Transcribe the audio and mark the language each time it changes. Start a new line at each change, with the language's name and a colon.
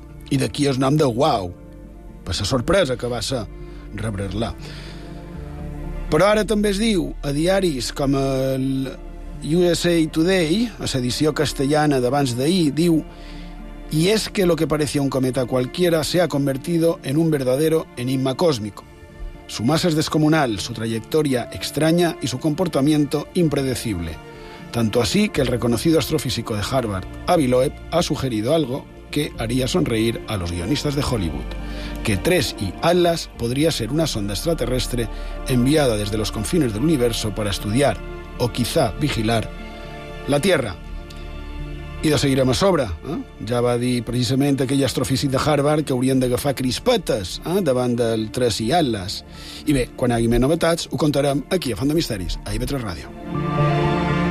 Catalan: I d'aquí el nom de UAU, per la sorpresa que va ser rebre-la. Però ara també es diu a diaris com el USA Today, a l'edició castellana d'abans d'ahir, diu:
Spanish: "Y es que lo que parecía un cometa cualquiera se ha convertido en un verdadero enigma cósmico. Su masa es descomunal, su trayectoria extraña y su comportamiento impredecible. Tanto así que el reconocido astrofísico de Harvard, Avi Loeb, ha sugerido algo que haría sonreír a los guionistas de Hollywood, que 3I Atlas podría ser una sonda extraterrestre enviada desde los confines del universo para estudiar, o quizá vigilar, la Tierra".
Catalan: I de seguir amb a sobre, ja va dir precisament aquell astrofísic de Harvard que haurien d'agafar crispetes davant del 3I Atlas. I bé, quan hi hagi més novetats, ho contarem aquí a Font de Misteris, a IB3 Ràdio.